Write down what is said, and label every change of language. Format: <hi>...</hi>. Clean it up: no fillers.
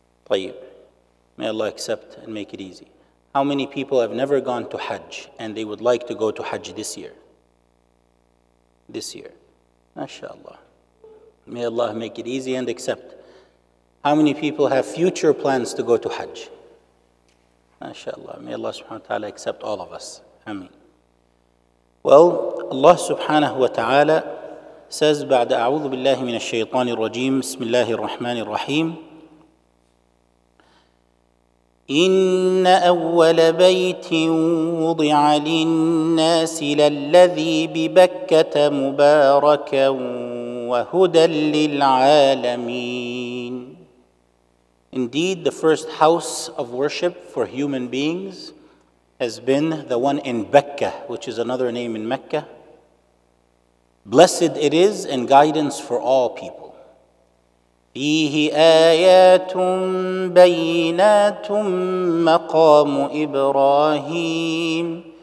<en>Tayyib. May Allah accept and make it easy. How many people have never gone to Hajj and they would like to go to Hajj this year? This year. MashaAllah. May Allah make it easy and accept. How many people have future plans to go to Hajj? MashaAllah. May Allah subhanahu wa ta'ala accept all of us. Ameen. Well, Allah subhanahu wa ta'ala says,</en> <ar>بعد أعوذ بالله من الشيطان الرجيم بسم الله الرحمن الرحيم إن أول بيت وضع للناس للذي ببكة مباركا وهدى للعالمين.</ar> <en>Indeed, the first house of worship for human beings has been the one in Bekkah, which is another name in Mecca. Blessed it is and guidance for all people.</en> <ar>فِيهِ آيَاتٌ بَيِّنَاتٌ مَقَامُ إِبْرَاهِيمٌ.</ar>